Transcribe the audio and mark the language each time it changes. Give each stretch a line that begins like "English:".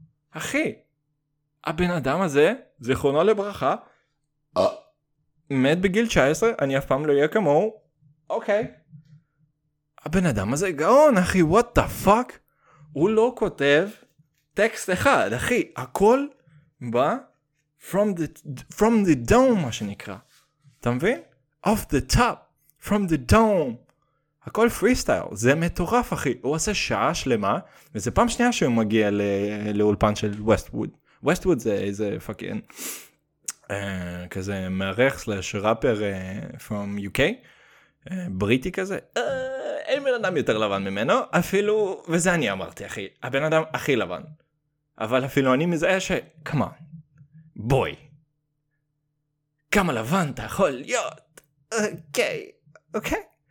Hebrew: אחי, הבן אדם הזה, זכרונו לברכה, מת בגיל 19, אני אף פעם לא יהיה כמו. אוקיי. הבן אדם הזה גאון, אחי,
English: what the fuck?
Hebrew: הוא לא כותב טקסט אחד, אחי, הכל בא
English: from the dome,
Hebrew: מה שנקרא. אתה מבין?
English: Off the top, from the dome.
Hebrew: הכל פריסטייל, זה מטורף אחי, הוא עושה שעה שלמה, וזה פעם שנייה שהוא מגיע לאולפן של ווסטווד. ווסטווד זה איזה פאקין, כזה מערך סלש ראפר
English: from UK,
Hebrew: בריטי כזה, אין בן אדם יותר לבן ממנו, אפילו, וזה אני אמרתי אחי, הבן אדם הכי לבן, אבל אפילו אני מזהה ש, כמה, בוי, כמה לבן אתה יכול להיות, אוקיי, אוקיי?